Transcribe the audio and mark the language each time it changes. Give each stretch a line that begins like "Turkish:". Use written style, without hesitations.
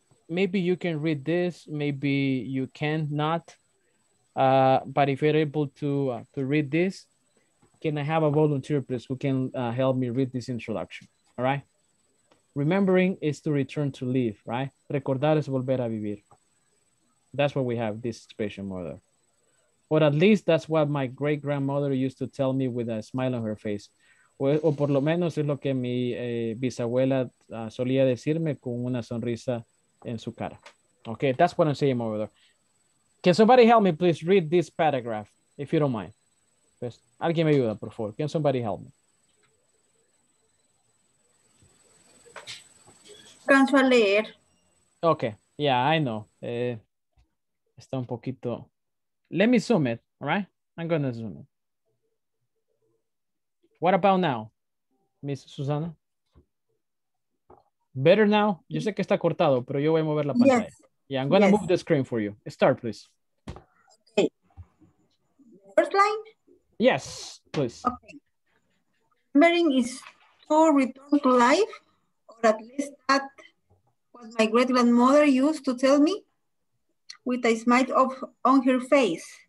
English: maybe you can read this, maybe you can not, but if you're able to read this, can I have a volunteer, please, who can help me read this introduction, all right? Remembering is to return to live, right?
Spanish: Recordar es volver a vivir.
English: That's what we have, this expression, mother. Or at least that's what my great-grandmother used to tell me with a smile on her face.
Spanish: O por lo menos es lo que mi bisabuela solía decirme con una sonrisa en su cara.
English: Okay, that's what I'm saying over there. Can somebody help me, please, read this paragraph, if you don't mind?
Spanish: Pues, alguien me ayuda, por favor.
English: Can somebody help me?
Spanish: Canso a leer.
English: Okay, yeah, I know.
Spanish: Está un poquito...
English: Let me zoom it, all right? I'm going to zoom it. What about now, Miss Susana? Better now?
Spanish: Yo sé que está cortado, pero yo voy a mover la pantalla.
English: Yes. Yeah, I'm going to move the screen for you. Start, please. Okay. First line? Yes, please. Okay. Remembering is to return to life, or at least that was my great-grandmother used to tell me with a smile of, on her face.